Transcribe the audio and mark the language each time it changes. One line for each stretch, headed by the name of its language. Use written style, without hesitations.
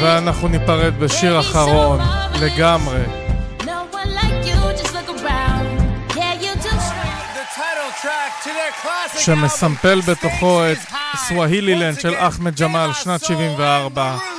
Hebrew: ואנחנו ניפרד בשיר אחרון לגמרי.
English: No one like you, just look around. Yeah, you do. The title track to their classic album.
Hebrew: שמסמפל בתוכו את סווהילי לנד של אחמד ג'מאל שנת 74.